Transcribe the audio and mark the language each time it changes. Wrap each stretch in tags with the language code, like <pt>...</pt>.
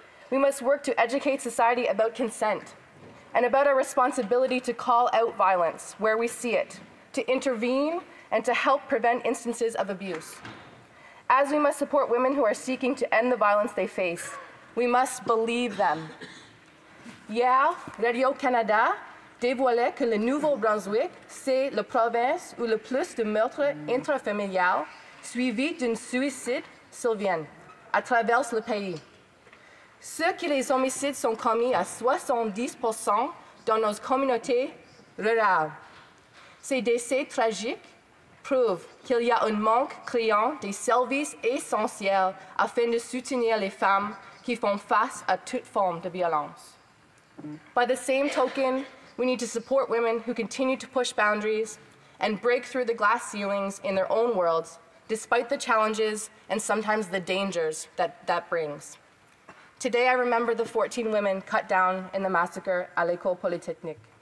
<en>We must work to educate society about consent and about our responsibility to call out violence where we see it, to intervene and to help prevent instances of abuse. As we must support women who are seeking to end the violence they face, we must believe them.</en> <fr>Hier, Radio-Canada dévoilait que le Nouveau-Brunswick, c'est la province où le plus de meurtres intrafamiliaux suivi d'un suicide surviennent à travers le pays. Ce que les homicides sont commis à 70% dans nos communautés rurales. Ces décès tragiques prouvent qu'il y a un manque criant des services essentiels afin de soutenir les femmes qui font face à toute forme de violence.</fr> <en>By the same token, we need to support women who continue to push boundaries and break through the glass ceilings in their own worlds, despite the challenges and sometimes the dangers that that brings. Today, I remember the 14 women cut down in the massacre at l'École Polytechnique.</en>